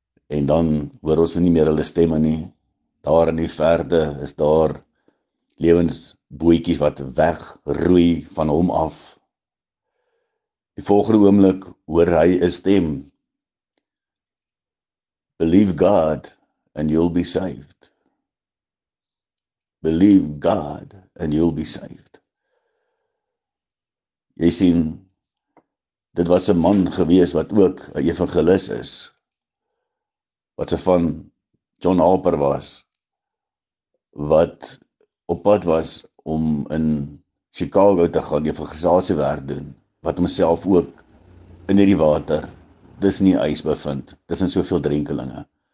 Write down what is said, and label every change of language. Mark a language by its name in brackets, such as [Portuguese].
[Afrikaans] En dan hoor ons nie meer hulle stemme nie. Daar in die verte is daar lewensbootjies wat wegroei van hom af. Die volgende oomblik hoor hy 'n stem. [English] Believe God and you'll be saved. Believe God and you'll be saved. [Afrikaans] Jy sien, dit was 'n man gewees wat ook 'n evangelis is, wat se van John Harper was, wat op pad was om in Chicago te gaan evangelisasiewerk doen, wat homself ook in hierdie water, dis nie ys bevind, dis in soveel drenkelinge.